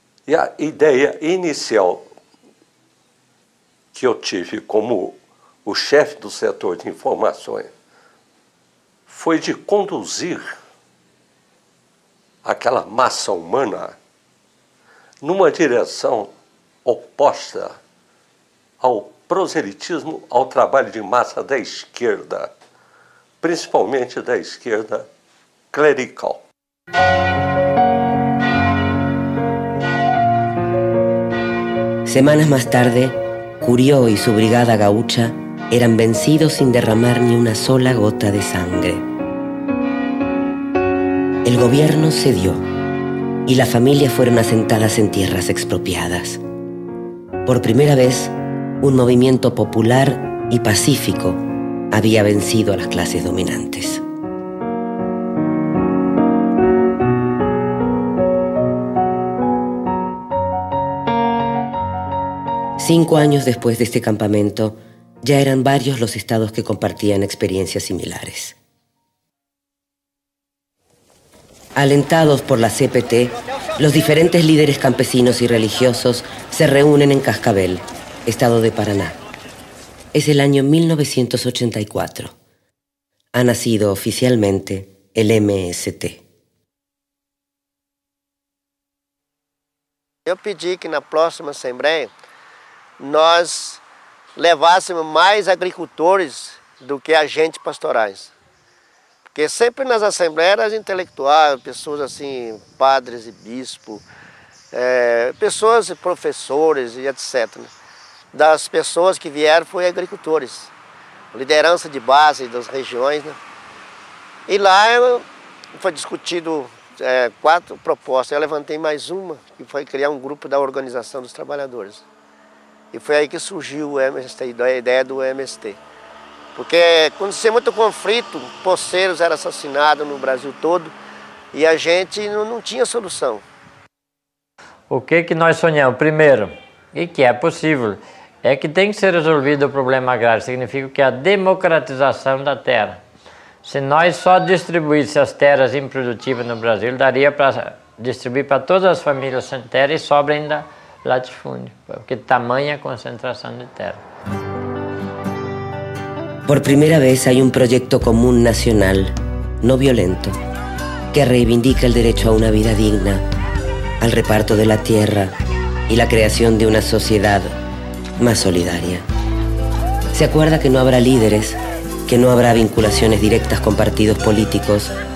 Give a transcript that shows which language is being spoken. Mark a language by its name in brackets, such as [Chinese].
[Portuguese] E a ideia inicial que eu tive como o chefe do setor de informações foi de conduzir aquela massa humana numa direção oposta ao proselitismo, ao trabalho de massa da esquerda, principalmente da esquerda clerical. Semanas mais tarde, Curió e sua brigada gaúcha eram vencidos sem derramar ni uma sola gota de sangue. [Spanish] El gobierno cedió y las familias fueron asentadas en tierras expropiadas. Por primera vez, un movimiento popular y pacífico había vencido a las clases dominantes. Cinco años después de este campamento, ya eran varios los estados que compartían experiencias similares. Alentados por la CPT, los diferentes líderes campesinos y religiosos se reúnen en Cascabel, estado de Paraná. Es el año 1984. Ha nacido oficialmente el MST. Yo pedí que en la próxima Asamblea nos levásemos más agricultores [Portuguese] do que agentes pastorais. Porque sempre nas assembleias eram intelectuais, pessoas assim, padres e bispos, pessoas e professores e etc. Das pessoas que vieram foi agricultores, liderança de base das regiões. Né? E lá foi discutido quatro propostas. Eu levantei mais uma, que foi criar um grupo da Organização dos Trabalhadores. E foi aí que surgiu o MST, a ideia do MST. Porque acontecia muito conflito, poceiros eram assassinados no Brasil todo e a gente não tinha solução. O que que nós sonhamos? Primeiro, e que é possível, é que tem que ser resolvido o problema agrário. Significa que é a democratização da terra. Se nós só distribuíssemos as terras improdutivas no Brasil, daria para distribuir para todas as famílias sem terra e sobra ainda latifúndio, porque tamanha a concentração de terra. [Spanish] Por primera vez hay un proyecto común nacional, no violento, que reivindica el derecho a una vida digna, al reparto de la tierra y la creación de una sociedad más solidaria. Se acuerda que no habrá líderes, que no habrá vinculaciones directas con partidos políticos